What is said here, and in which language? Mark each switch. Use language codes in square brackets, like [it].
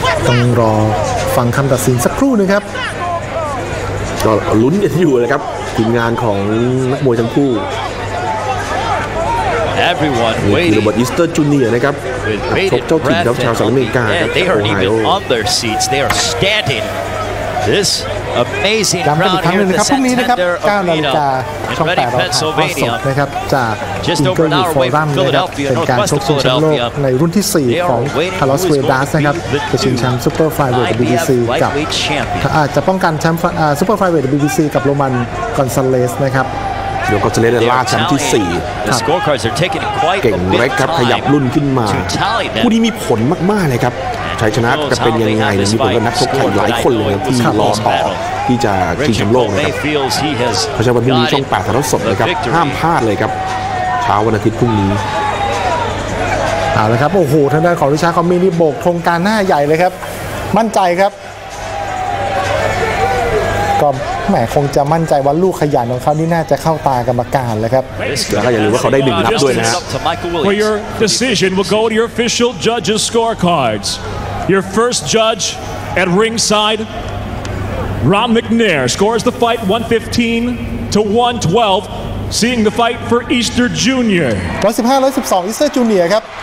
[th] ต้องรอฟังคำตัดสินสักครู่นะครับ ก็ลุ้นกันอยู่นะครับทีมงานของนักมวยทั้งคู่ [en] Everyone waiting [th] คือโรเบิร์ต อีสเตอร์จูเนียร์นะครับเจ้าถิ่นครับชาวสหรัฐอเมริกาครับ [en] They are even on their seats they are standing This amazing crowd [th] ครับครั้งนึงนะครับพรุ่งนี้นะครับ 9:00 น.ช่อง 8 Pennsylvania นะครับจาก Eagle Forum นะครับเป็นการชกชิงแชมป์โลกในรุ่นที่4ของ Carlos Queiroz นะครับจะชิงแชมป์ Super Flyweight WBC กับอาจจะป้องกันแชมป์ Super Flyweight WBC กับโรมันกอนซาเลสนะครับ เดี๋ยวก็จะเล่นในล่าแชมป์ที่4เก่ งเล็กครับขยับรุ่นขึ้นมาผู้ที่มีผลมากๆเลยครับชัยชนะจะเป็นยังไงมีผลกับนักชกไทยหลายคนเลยที่รอต่อที่จะชิงแชมป์โลกนะครับเพราะฉะนั้นวันพรุ่งนี้ช่อง8ถ่ายทอดสดนะครับห้ามพลาดเลยครับเช้าวันอาทิตย์พรุ่งนี้เอาละครับโอ้โหทางด้านของริชาร์ดคอมมี่นี่โบกธงการหน้าใหญ่เลยครับมั่นใจครับก็แหมคงจะมั่นใจว่าลูกขยันของเขานี่น่าจะเข้าตากรรมการแล้วครับ แล้วก็อย่าลืมว่าเขาได้หนึ่งนับด้วยนะ [en] ครับ Your decision will go to your official judges scorecards. Your first judge at ringside, Rob McNair scores the fight 115 to 112, seeing the fight for Easter Jr. [th] 115-112 Easter Jr. ครับ